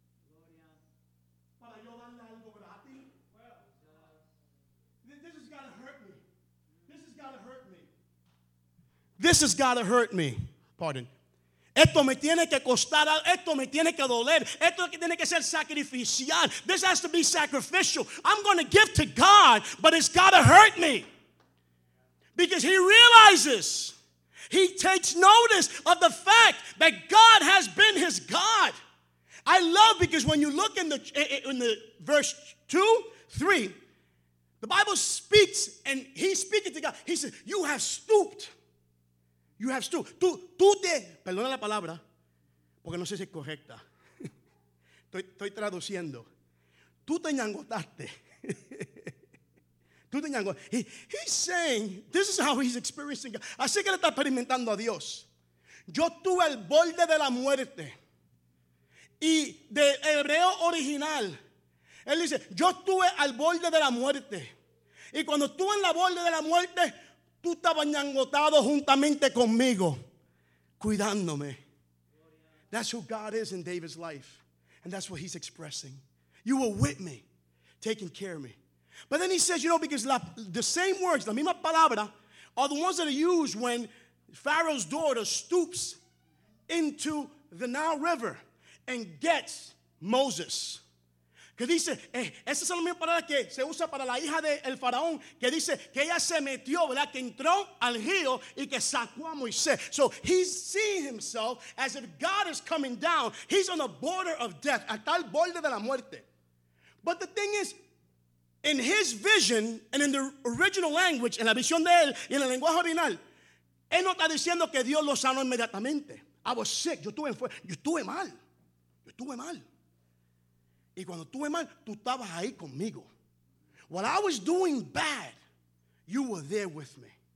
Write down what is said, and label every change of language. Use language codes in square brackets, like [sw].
[es] Gloria. Para yo darle algo gratis. [en] This has got to hurt me. This has got to hurt me. This has got to hurt me. Pardon. [es] Esto me tiene que costar, esto me tiene que doler, esto tiene que ser sacrificial. [en] This has to be sacrificial. I'm going to give to God, but it's got to hurt me. Because he realizes, he takes notice of the fact that God has been his God. I love because when you look in the verse 2-3, the Bible speaks and he's speaking to God. He says, you have stooped. You have stooped. [es] Tú te, perdona la palabra, porque no sé si es correcta. Estoy traduciendo. Tú te ñangotaste. Tú te ñangotaste. [en] He's saying, this is how he's experiencing God. [es] Así que le está experimentando a Dios. Yo estuve al borde de la muerte. Y de hebreo original, él dice, yo estuve al borde de la muerte. Y cuando estuve en la borde de la muerte, tú estabas ñangotado juntamente conmigo, cuidándome. [en] That's who God is in David's life. And that's what he's expressing. You were with me, taking care of me. But then he says, you know, because the same words, [es] la misma palabra, [en] are the ones that are used when Pharaoh's daughter stoops into the Nile River and gets Moses. [es] Que dice, esa es la misma palabra que se usa para la hija del faraón, que dice que ella se metió, ¿verdad? Que entró al río y que sacó a Moisés. [en] So he's seeing himself as if God is coming down. He's on the border of death, [es] hasta el borde de la muerte. [en] But the thing is, in his vision and in the original language, [es] en la visión de él y en el lenguaje original, él no está diciendo que Dios lo sanó inmediatamente. [en] I was sick, [es] yo estuve mal. Y cuando estuve mal, tú estabas ahí conmigo. [en] While I was doing bad, you were there with me.